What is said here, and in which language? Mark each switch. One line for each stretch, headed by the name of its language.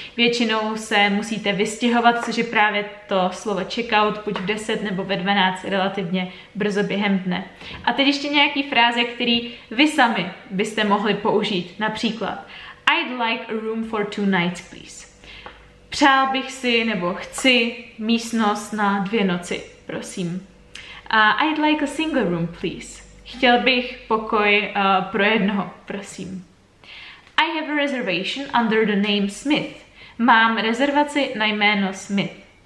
Czech: Většinou se musíte vystěhovat, což je právě to slovo checkout, buď v 10 nebo ve 12, relativně brzo během dne. A teď ještě nějaký fráze, který vy sami byste mohli použít, například
English: I'd like a room for two nights, please.
Czech: Přál bych si, nebo chci, místnost na dvě noci, prosím.
English: I'd like a single room, please.
Czech: Chtěl bych pokoj pro jednoho, prosím.
English: I have a reservation under the name Smith.
Czech: Mám rezervaci na jméno Smith.